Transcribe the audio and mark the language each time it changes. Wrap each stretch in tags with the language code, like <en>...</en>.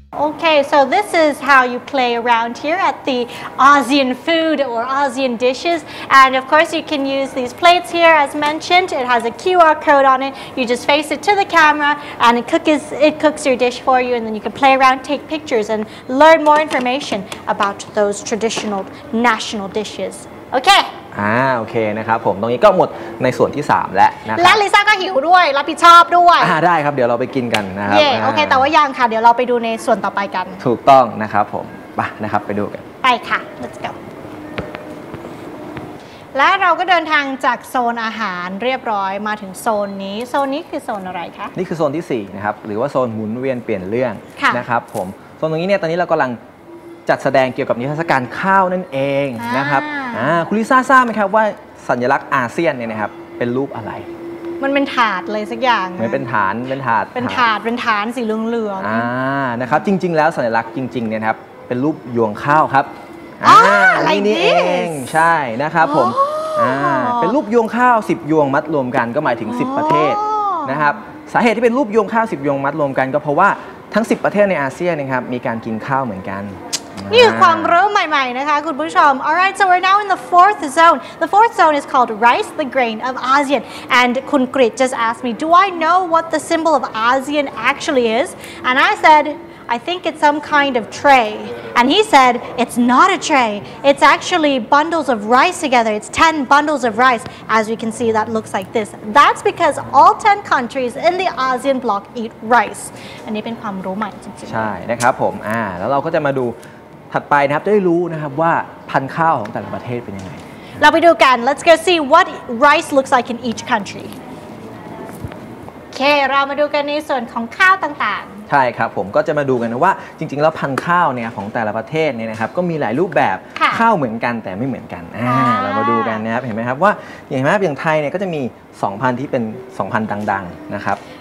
<en>Okay, so this is how you play around here at the ASEAN food or ASEAN dishes. And of course, you can use these plates here as mentioned. It has a QR code on it. You just face it to the camera and it cooks your dish for you. And then you can play around, take pictures and learn more information about those traditional national dishes. Okay.</en> <th>โอเคนะครับผมตรงนี้ก็หมดในส่วนที่3แล้วนะครับ และลิซ่าก็หิวด้วยรับผิดชอบด้วย ได้ครับเดี๋ยวเราไปกินกันนะครับโอเคแต่ว่ายังค่ะเดี๋ยวเราไปดูในส่วนต่อไปกัน ถูกต้องนะครับผมไปนะครับไปดูกัน ไปค่ะ</th> <en>let's go</en> <th>และเราก็เดินทางจากโซนอาหารเรียบร้อยมาถึงโซนนี้โซนนี้คือโซนอะไรคะ นี่คือโซนที่4นะครับหรือว่าโซนหมุนเวียนเปลี่ยนเรื่องนะครับผมโซนตรงนี้เนี่ยตอนนี้เรากำลังจัดแสดงเกี่ยวกับนิทรรศการข้าวนั่นเองนะครับคุณลิซ่าทราบไหมครับว่าสัญลักษณ์อาเซียนเนี่ยนะครับเป็นรูปอะไร มันเป็นถาดเลยสักอย่าง มันเป็นฐานเป็นถาด เป็นถาดเป็นฐานสีเหลือง ๆนะครับจริงๆแล้วสัญลักษณ์จริงๆเนี่ยครับเป็นรูปยวงข้าวครับ อัน นี้ เองใช่นะครับผมเป็นรูปยวงข้าว10ยวงมัดรวมกันก็หมายถึง10ประเทศนะครับสาเหตุที่เป็นรูปยวงข้าว10ยวงมัดรวมกันก็เพราะว่าทั้ง10ประเทศในอาเซียนนะครับมีการกินข้าวเหมือนกัน นี่คือความเริ่มใหม่ๆนะคะคุณผู้ชม</th> <en>alright so we're now in the fourth zone the fourth zone is called rice the grain of ASEAN and คุณกริช just asked me do I know what the symbol of ASEAN actually is and I said I think it's some kind of tray and he said it's not a tray it's actually bundles of rice together it's 10 bundles of rice as we can see that looks like this that's because all 10 countries in the ASEAN bloc eat rice</en> <th>อันนี้เป็นความรู้ใหม่จริงๆ ใช่นะครับผมแล้วเราก็จะมาดูถัดไปนะครับจะได้รู้นะครับว่าพันธุ์ข้าวของแต่ละประเทศเป็นยังไง เราไปดูกัน</th> <en>let's go see what rice looks like in each country</en> <th>โอเคเรามาดูกันในส่วนของข้าวต่างๆ ใช่ครับผมก็จะมาดูกันนะว่าจริงๆแล้วพันธุ์ข้าวเนี่ยของแต่ละประเทศเนี่ยนะครับก็มีหลายรูปแบบข้าวเหมือนกันแต่ไม่เหมือนกันเรามาดูกันนะครับเห็นไหมครับว่าอย่างไรบ้างอย่างไทยเนี่ยก็จะมี2พันธุ์ที่เป็น2พันธุ์ดังๆนะครับ</th>